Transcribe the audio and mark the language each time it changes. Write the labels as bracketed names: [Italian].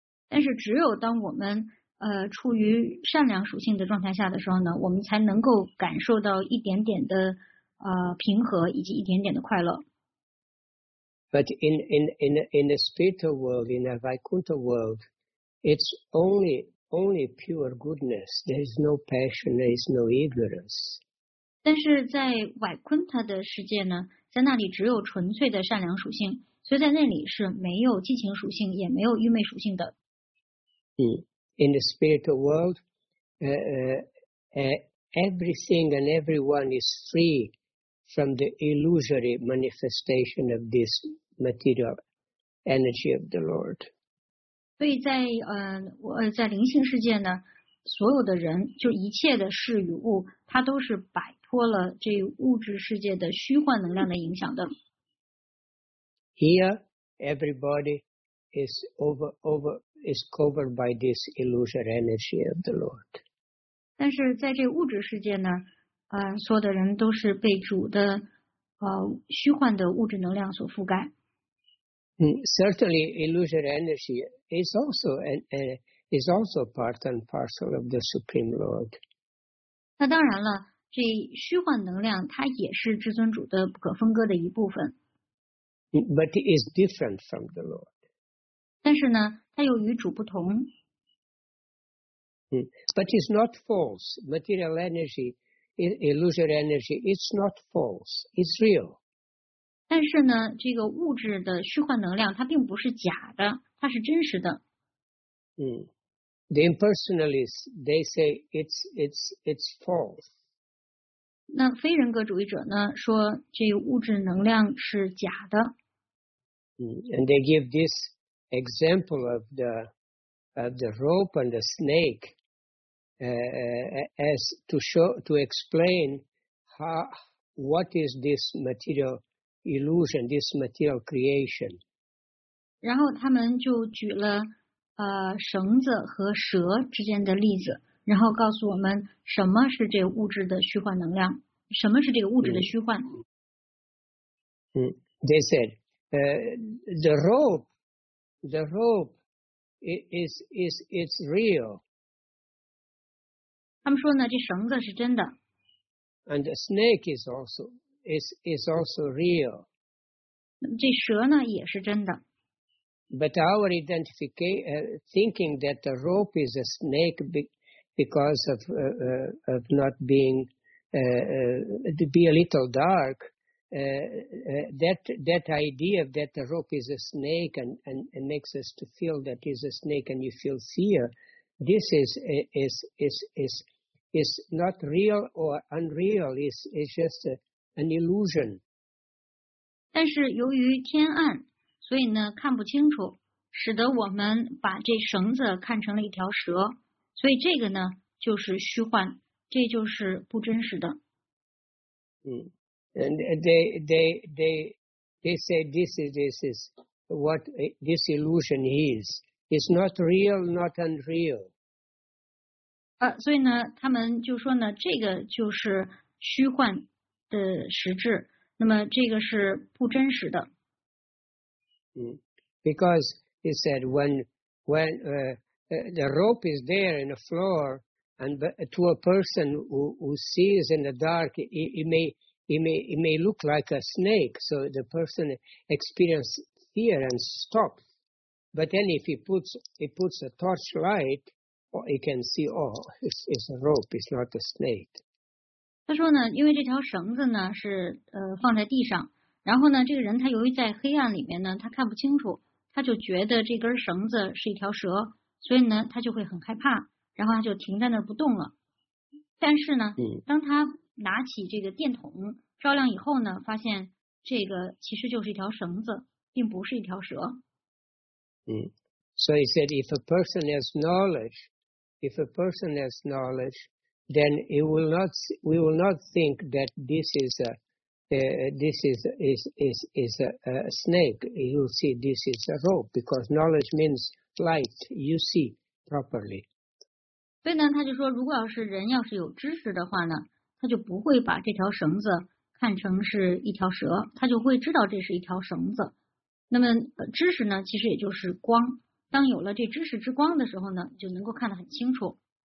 [Chinese] 但是只有当我们处于善良属性的状态下的时候呢，我们才能够感受到一点点的平和以及一点点的快乐。 [English] But in the spiritual world, in a Vaikuntha world, it's only pure goodness. There is no passion, there is no ignorance. [Chinese] 但是在瓦昆塔的世界呢，在那里只有纯粹的善良属性，所以在那里是没有激情属性，也没有愚昧属性的。 [English] In the spiritual world, everything and everyone is free from the illusory manifestation of this material energy of the Lord. [Chinese] 所以在在灵性世界呢，所有的人就一切的事与物，它都是摆。脱了这物质世界的虚幻能量的影响的。 [English] Here, everybody is is covered by this illusory energy of the Lord. [Chinese] 但是在这物质世界那儿，所有的人都是被主的虚幻的物质能量所覆盖。 [English] Certainly, illusory energy is also is also part and parcel of the Supreme Lord. [Chinese] 那当然了，这虚幻能量它也是至尊主的不可分割的一部分。 [English] But it is different from the Lord. [Chinese] 但是呢，它又与主不同。 [English] But it's not false. Material energy, illusory energy, it's not false. It's real. [Chinese] 但是呢，这个物质的虚幻能量它并不是假的，它是真实的。 [English] The impersonalists, they say it's false. [Chinese] 那非人格主义者呢，说这个物质能量是假的。 [English] And they give this example of the rope and the snake as to show to explain how what is this material illusion, this material creation. [Chinese] 然后他们就举了绳子和蛇之间的例子，然后告诉我们什么是这个物质的虚幻能量，什么是这个物质的虚幻。 [English] They said. The rope is real. [Chinese] 他们说呢，这绳子是真的。 [English] And the snake is also real. [Chinese] 这蛇呢也是真的。 [English] But our thinking that the rope is a snake because of not being to be a little dark. That idea that the rope is a snake and makes us to feel that it's a snake and you feel fear, this is not real or unreal. It's just an illusion. [Chinese] 但是由于天暗，所以呢看不清楚，使得我们把这绳子看成了一条蛇，所以这个呢就是虚幻，这就是不真实的。 [English] And they say this is what this illusion is. It's not real, not unreal. [Chinese] 所以呢，他们就说呢，这个就是虚幻的实质。那么这个是不真实的。 [English] Because he said when the rope is there in the floor, and to a person who sees in the dark, it may look like a snake, so the person experiences fear and stops. But then if he puts a torch light, he can see, it's a rope, it's not a snake. [Chinese] 他说呢，因为这条绳子呢是放在地上，然后呢这个人他由于在黑暗里面呢他看不清楚，他就觉得这根绳子是一条蛇，所以呢他就会很害怕，然后他就停在那儿不动了。但是呢当他拿起这个电筒照亮以后呢，发现这个其实就是一条绳子，并不是一条蛇。 [English] So he said, if a person has knowledge, if a person has knowledge, then we will not think that this is a snake. You will see this is a rope because knowledge means light. You see properly. [Chinese] 所以呢，他就说，如果要是人要是有知识的话呢。他就不会把这条绳子看成是一条蛇，他就会知道这是一条绳子。那么知识呢，其实也就是光。当有了这知识之光的时候呢，就能够看得很清楚。